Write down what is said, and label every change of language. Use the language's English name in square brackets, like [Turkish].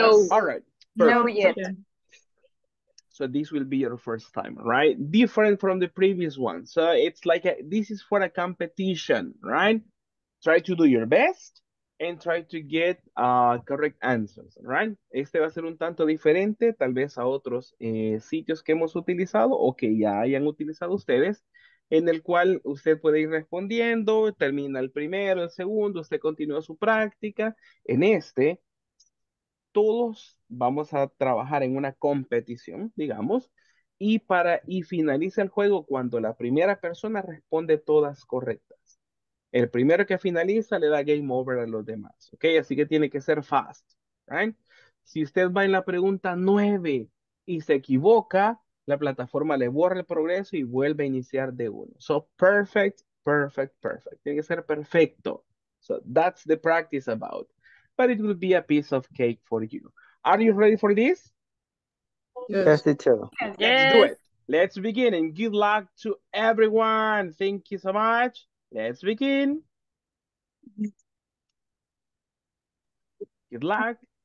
[English] All right. Perfect. So this will be your first time, right? Different from the previous one. So it's like this is for a competition, right? Try to do your best and try to get correct answers, right? [Spanish] Este va a ser un tanto diferente tal vez a otros sitios que hemos utilizado o que ya hayan utilizado ustedes, en el cual usted puede ir respondiendo, termina el primero, el segundo, usted continúa su práctica. En este, todos vamos a trabajar en una competición, digamos, y finaliza el juego cuando la primera persona responde todas correctas. El primero que finaliza le da game over a los demás, ¿ok? Así que tiene que ser [English] fast, ¿right? [Spanish] Si usted va en la pregunta 9 y se equivoca, la plataforma le borra el progreso y vuelve a iniciar de uno. [English] So, perfect, perfect, perfect. [Spanish] Tiene que ser perfecto, [English] So that's the practice about. But it will be a piece of cake for you. Are you ready for this? Yes, teacher. Let's do it. Let's begin and good luck to everyone. Thank you so much. Let's begin. Good luck.